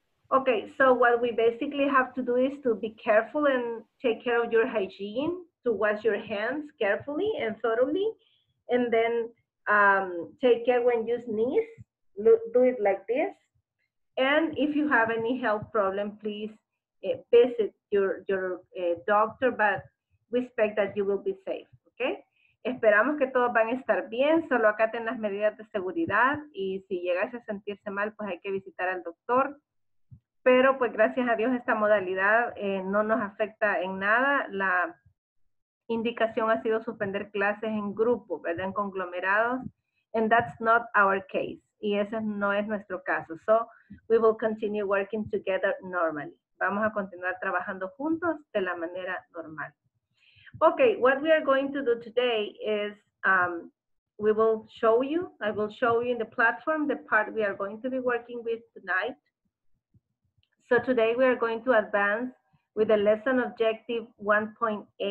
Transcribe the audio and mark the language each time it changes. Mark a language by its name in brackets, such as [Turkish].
[English] Okay, so what we basically have to do is to be careful and take care of your hygiene, to wash your hands carefully and thoroughly, and then take care when you sneeze, do it like this. And if you have any health problem, please visit your doctor, but we expect that you will be safe, okay? [Spanish] Esperamos que todos van a estar bien, solo acaten las medidas de seguridad, y si llegas a sentirse mal, pues hay que visitar al doctor. Pero pues gracias a Dios esta modalidad no nos afecta en nada. La indicación ha sido suspender clases en grupo, ¿verdad?, en conglomerados, [English] and that's not our case. [Spanish] Y ese no es nuestro caso. [English] So, we will continue working together normally. [Spanish] Vamos a continuar trabajando juntos de la manera normal. [English] Okay, what we are going to do today is we will show you, I will show you in the platform the part we are going to be working with tonight. So, today we are going to advance with the lesson objective 1.8.